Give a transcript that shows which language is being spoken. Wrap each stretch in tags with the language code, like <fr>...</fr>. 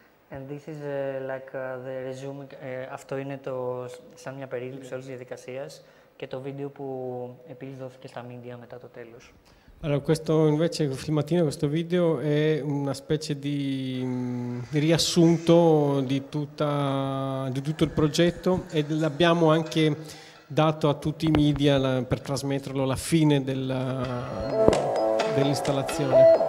<en>And this is like the resume.</en> <el>Αυτό είναι το σαν μια περίληψη όλης της διαδικασίας και το βίντεο που επίσης δόθηκε στα media μετά το τέλος.</el> <it>Allora, questo invece filmatino, questo video è una specie di riassunto di tutto il progetto e l'abbiamo anche dato a tutti i media per trasmetterlo alla fine dell'installazione.</it>